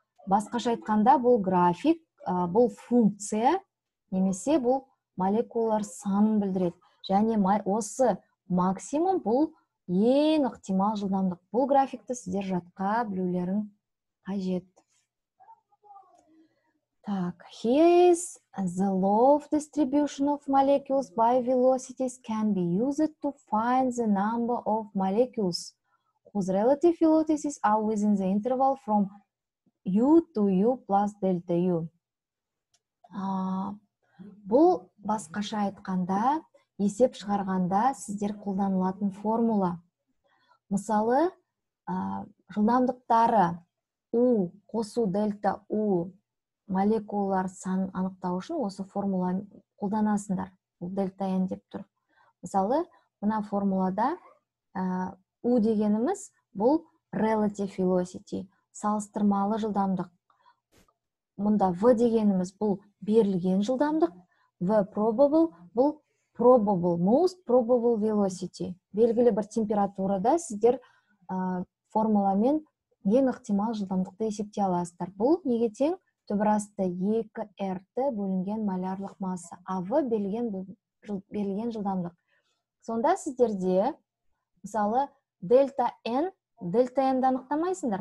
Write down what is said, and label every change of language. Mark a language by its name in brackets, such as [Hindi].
[Kazakh] Басқаша айтқанда, бұл график, бұл функция, немесе бұл молекулалар санын білдіреді. Және осы максимум бұл ең ықтимал жылдамдық. Бұл графикті сіздер жатқа білулерін қажет. [English] Так, here is the law of distribution of molecules by velocities can be used to find the number of molecules whose relative velocities are within the interval from u to u plus delta u. [Kazakh] Бұл басқаша айтқанда, есеп шығарғанда сіздер қолданылатын формула. Мысалы, жылдамдықтары u қосу delta u молекулалар санын анықтау үшін осы формуланы қолданасыңдар. Бұл дельта n деп тұр. Мысалы, мына формулада u дегеніміз бұл [English] relative velocity, [Kazakh] салыстырмалы жылдамдық. Мұнда v дегеніміз бұл берілген жылдамдық. [English] V probable [Kazakh] бұл [English] probable, most probable velocity. [Kazakh] Белгілі бір температурада сіздер формуламен ең ықтимал жылдамдықты есептей аласыздар. Бұл неге тең? Тобрасты 2r-ті бөлінген малярлық масса. А в берілген жылдамдық. Сонда сіздерде, мысалы, дельта n, дельта n-ді анықтамайсыңдар.